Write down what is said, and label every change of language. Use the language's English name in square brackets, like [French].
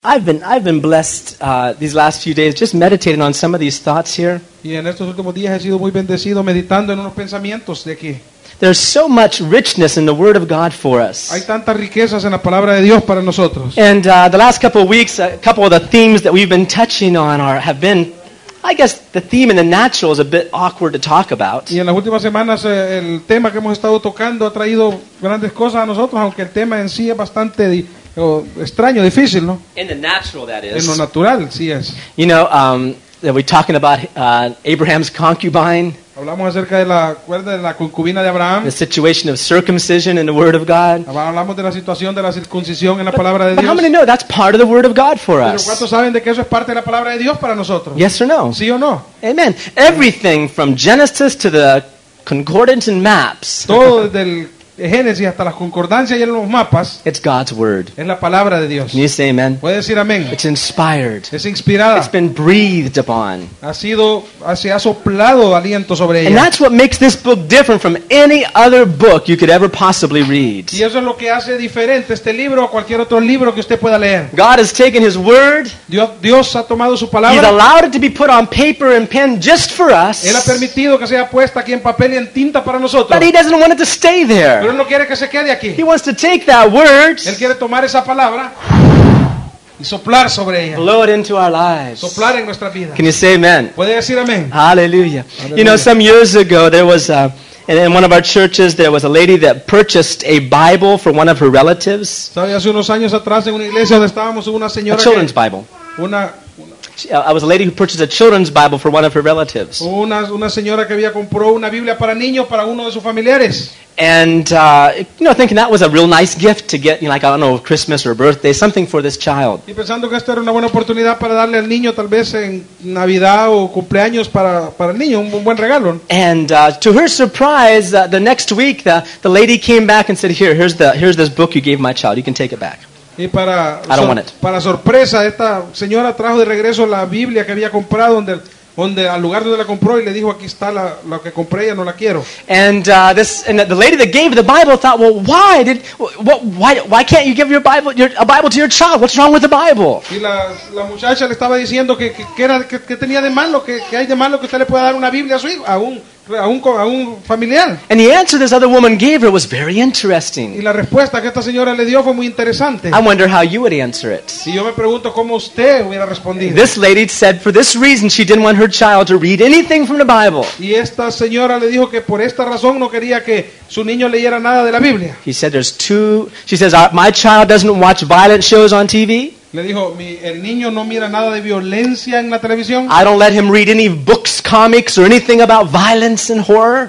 [English] I've been blessed these last few days just meditating on some of these thoughts here. [Spanish] Y en estos últimos días he sido muy bendecido meditando en unos pensamientos de aquí. [English] There's so much richness in the Word of God for us. [Spanish] Hay tantas riquezas en la palabra de Dios para nosotros. [English] And the last couple of weeks, a couple of the themes that we've been touching on have been, I guess, the theme in the natural is a bit awkward to talk about. [Spanish] Y en las últimas semanas el tema que hemos estado tocando ha traído grandes cosas a nosotros, aunque el tema en sí es bastante extraño, difícil, ¿no? [English] In the natural, that is. [Spanish] En lo natural, sí es. [English] You know, are we talking about Abraham's concubine? [Spanish] Hablamos acerca de la cuerda de la concubina de Abraham. [English] The situation of circumcision in the Word of God. [Spanish] Hablamos de la situación de la circuncisión en la palabra de Dios. [English] But how many know that's part of the Word of God for us? [Spanish] ¿Pero cuántos saben de que eso es parte de la palabra de Dios para nosotros? [English] Yes or no? [Spanish] Sí o no? [English] Amen. Everything from Genesis to the concordance and maps. [Spanish] Todo del Génesis hasta las concordancias y en los mapas. [English] It's God's word. [Spanish] Es la palabra de Dios. [English] Can you say amen? [Spanish] ¿Puedes decir amén? [English] It's inspired. [Spanish] Es inspirada. [English] It's been breathed upon. [Spanish] Se ha soplado aliento sobre ella. [English] And that's what makes this book different from any other book you could ever possibly read. [Spanish] Y eso es lo que hace diferente este libro a cualquier otro libro que usted pueda leer. [English] God has taken his word. [Spanish] Dios ha tomado su palabra. [English] He's allowed it to be put on paper and pen just for us. [Spanish] Él ha permitido que sea puesta aquí en papel y en tinta para nosotros. [English] But he doesn't want it to stay there. [Spanish] Pero no quiere que se quede aquí. [English] He wants to take that word. [Spanish] Él quiere tomar esa palabra y soplar sobre ella. [English] Blow it into our lives. [Spanish] Soplar en nuestra vida. [English] Can you say amen? [Spanish] ¿Puede decir amén? [English] Hallelujah. You know, some years ago there was in one of our churches there was a lady that purchased a Bible for one of her relatives. [Spanish] ¿Sabe? Hace unos años atrás en una iglesia donde estábamos una señora. [English] A children's Bible. I was a lady who purchased a children's Bible for one of her relatives. [Spanish] Una señora que había comprado una Biblia para niños para uno de sus familiares. [English] And you know, thinking that was a real nice gift to get, you know, like I don't know, Christmas or birthday, something for this child. [Spanish] Y pensando que esto era una buena oportunidad para darle al niño, tal vez en Navidad o cumpleaños para el niño, un buen regalo. [English] And to her surprise, the next week the lady came back and said, "Here's this book you gave my child. You can take it back." [Spanish] Para sorpresa, esta señora trajo de regreso la Biblia que había comprado donde al lugar donde la compró y le dijo, aquí está lo que compré, ya no la quiero. [English] And the lady that gave the Bible thought, well, why can't you give your Bible a Bible to your child? What's wrong with the Bible? [Spanish] Y la muchacha le estaba diciendo que tenía de malo, que hay de malo que usted le pueda dar una Biblia a su hijo, a un familiar. [English] And the answer this other woman gave her was very interesting. [Spanish] Y la respuesta que esta señora le dio fue muy interesante. [English] I wonder how you would answer it. [Spanish] Y yo me pregunto cómo usted hubiera respondido. [English] This lady said for this reason she didn't want her child to read anything from the Bible. [Spanish] Y esta señora le dijo que por esta razón no quería que su niño leyera nada de la Biblia. [English] She says my child doesn't watch violent shows on TV. [Spanish] Le dijo, el niño no mira nada de violencia en la televisión. [English] I don't let him read any books, comics, or anything about violence and horror.